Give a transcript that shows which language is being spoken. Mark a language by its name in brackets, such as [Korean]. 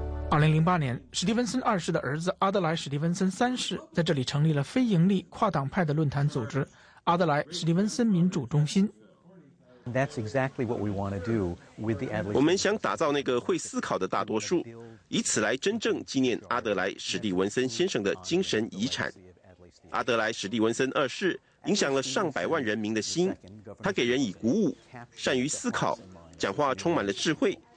[Chinese] 2008年，史蒂文森二世的儿子阿德莱·史蒂文森三世在这里成立了非盈利跨党派的论坛组织——阿德莱·史蒂文森民主中心。 [English] That's exactly what we want to do with the Adler. [Chinese] 我们想打造那个会思考的大多数，以此来真正纪念阿德莱·史蒂文森先生的精神遗产。阿德莱·史蒂文森二世影响了上百万人民的心，他给人以鼓舞，善于思考，讲话充满了智慧。